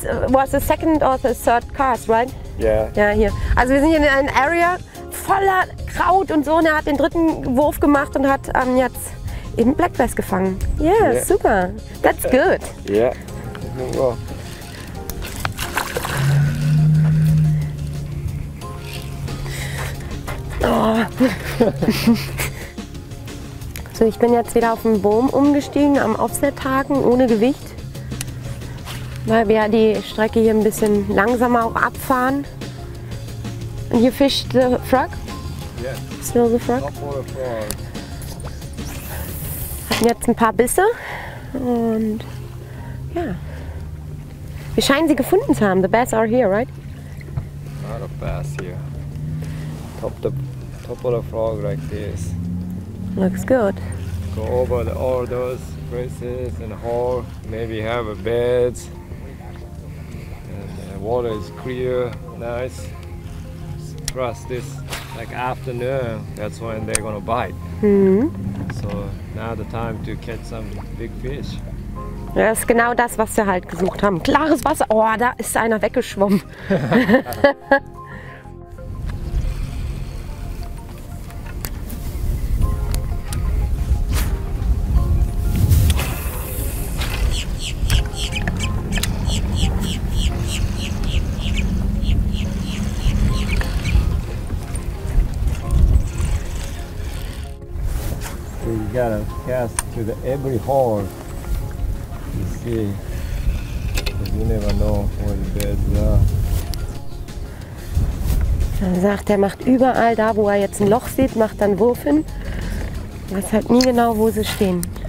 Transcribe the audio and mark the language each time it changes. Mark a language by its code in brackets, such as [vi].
[en] was the second or the third cast, right? [de] Ja. Ja, hier. Also wir sind hier in einem Area voller Kraut und so. Und er hat den dritten Wurf gemacht und hat jetzt eben Black Bass gefangen. [en] Yeah, yeah, super. That's good. Yeah. Wow. Oh. [de] So, ich bin jetzt wieder auf den Boom umgestiegen, am Offset-Haken, ohne Gewicht. Weil wir die Strecke hier ein bisschen langsamer auch abfahren. [en] And you fish the frog? Yeah. Still the frog? [de] Jetzt ein paar Bisse und ja, wir scheinen sie gefunden zu haben. [en] The bass are here, right? A lot of bass here. Top of the frog like this. Looks good. Go over all those places and hole. Maybe have a bed. And the water is clear, nice. Trust this, like afternoon, that's when they're gonna bite. Mm-hmm. So now the time to catch some big fish. [de] Das ist genau das, was wir halt gesucht haben. Klares Wasser. Oh, da ist einer weggeschwommen. [en] You gotta cast to the every hole. You see, because you never know where the beds are. [de] Er sagt, er macht überall da, wo er jetzt ein Loch sieht, macht dann Wurf hin. Er weiß halt nie genau, wo sie stehen.